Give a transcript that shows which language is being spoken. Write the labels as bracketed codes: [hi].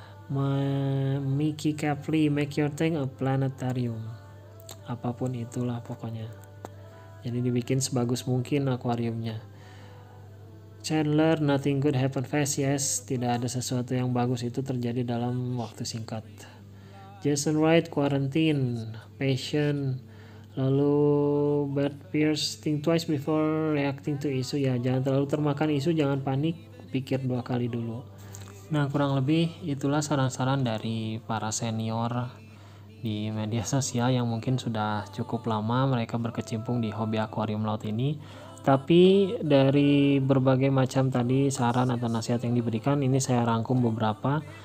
[en] Mickey Capley, make your tank a planetarium. [id] Apapun itulah pokoknya. Jadi dibikin sebagus mungkin akuariumnya. Chandler, [en] nothing good happen fast, yes, [id] tidak ada sesuatu yang bagus itu terjadi dalam waktu singkat. [en] Jason Wright, quarantine, patient. [id] Lalu [en] Bert Pierce, think twice before reacting to issue. [id] Ya, jangan terlalu termakan isu, jangan panik, pikir dua kali dulu. Nah, kurang lebih itulah saran-saran dari para senior di media sosial yang mungkin sudah cukup lama mereka berkecimpung di hobi akuarium laut ini. Tapi dari berbagai macam tadi saran atau nasihat yang diberikan, ini saya rangkum beberapa.